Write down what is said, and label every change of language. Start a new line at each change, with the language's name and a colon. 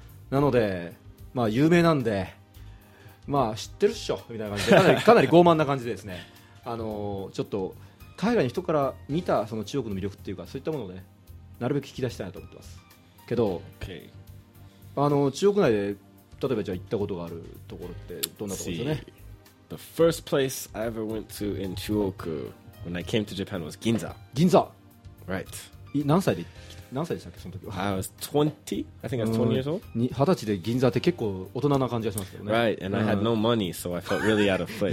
Japanese: なのでまあ有名なんで、まあ知ってるっしょみたいな感じで、かなり傲慢な感じでですね、ちょっと海外の人から見たその中国の魅力っていうか、そういったものをねなるべく引き出したいなと思ってますけど、
English: okay.
Japanese: 中国内で例えばじゃあ行ったことがあるところってどんなところですかね。
English: The first place I ever went to in 中央区 when I came to Japan was 銀座。
Japanese: 銀座、
English: right.
Japanese: 何歳でしたっけその時は。
English: I was 20 I think I was 20 years old.
Japanese: 20歳で銀座って結構大人な感じがしますけどね。
English: Right, and I had no money, so I felt really out of place.